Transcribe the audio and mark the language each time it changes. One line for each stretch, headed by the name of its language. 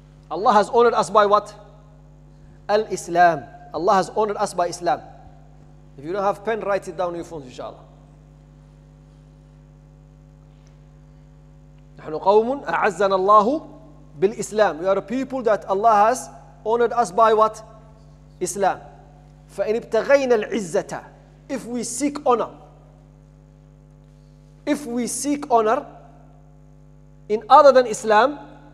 English: Allah has honored us by what? Al-Islam. Allah has honored us by Islam. If you don't have pen, write it down on your phones, inshallah.
Arabic: نحن قوم أعزنا الله بالإسلام.
English: We are a people that Allah has honored us by what? Islam.
Arabic: فإن ابتغينا العزة.
English: If we seek honor. If we seek honor in other than Islam.